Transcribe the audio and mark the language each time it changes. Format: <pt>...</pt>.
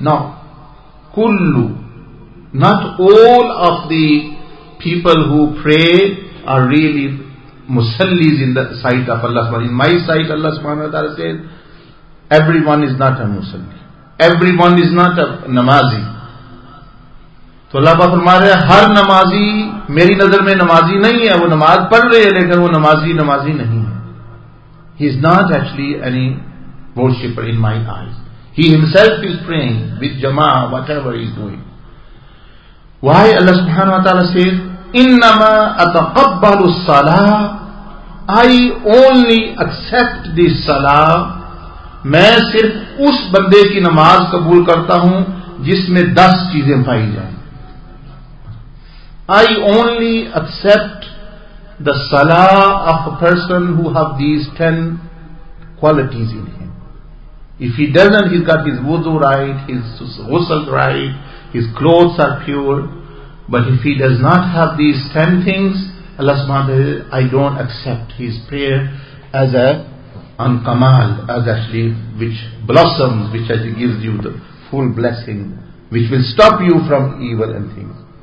<en>Now, Kullu. Not all of the people who pray are really musallis in the sight of Allah subhanahu wa ta'ala. In my sight, Allah subhanahu wa ta'ala says, everyone is not a musalli. Everyone is not a namazi.</en> <ur>تو اللہ پاک فرما رہے ہیں ہر نمازی میری نظر میں نمازی نہیں ہے, وہ نماز پڑھ رہے ہیں لیکن وہ نمازی نہیں ہے.</ur> <en>He is not actually any worshipper in my eyes. He himself is praying with jama'ah, whatever he is doing. Why Allah subhanahu wa ta'ala says,</en> <ar>إِنَّمَا أَتَقَبَّلُ الصَّلَاةَ,</ar> <en>I only accept the salah,</en> <ur>میں صرف اس بندے کی نماز قبول کرتا ہوں جس میں 10 چیزیں پائی جائیں.</ur> <en>I only accept the salah of a person who have these 10 qualities in him. If he doesn't, he's got his wudu right, his ghusl right, his clothes are pure. But if he does not have these 10 things, Allah subhanahu wa ta'ala, I don't accept his prayer as a unkamal, as actually which blossoms, which actually gives you the full blessing, which will stop you from evil and things.</en>